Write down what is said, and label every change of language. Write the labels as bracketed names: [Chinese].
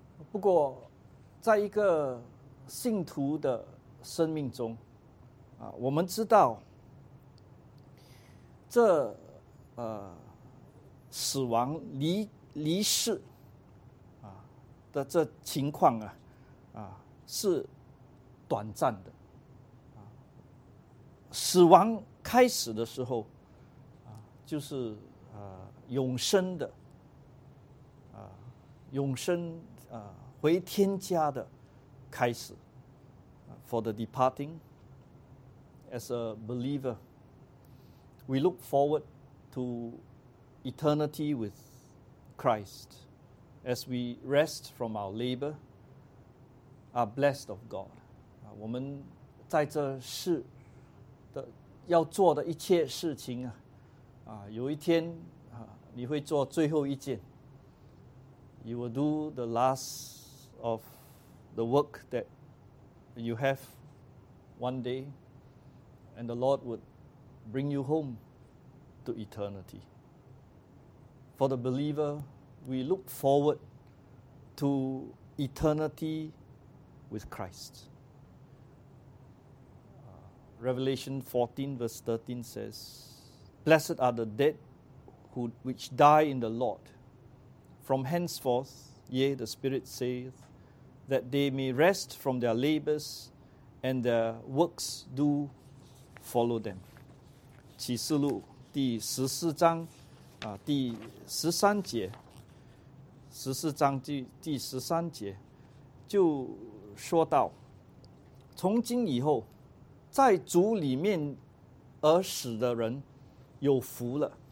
[Chinese] 不过在一个信徒的生命中我们知道这死亡离世的这情况是短暂的。死亡开始的时候就是永生的永生回天家的开始。 [English] For the departing, as a believer, we look forward to eternity with Christ as we rest from our labor, are blessed of God. [Chinese] 我们在这世的要做的一切事情有一天你会做最后一件。 [English] You will do the last of the work that you have one day, and the Lord would bring you home to eternity. For the believer, we look forward to eternity with Christ. Revelation 14 verse 13 says, Blessed are the dead which die in the Lord. From henceforth, yea, the Spirit saith,that they may rest from their labors and their works do follow them. [Chinese] 启示录第十四章第十三节十四章第十三节就说道：从今以后，在主里面而死的人有福了。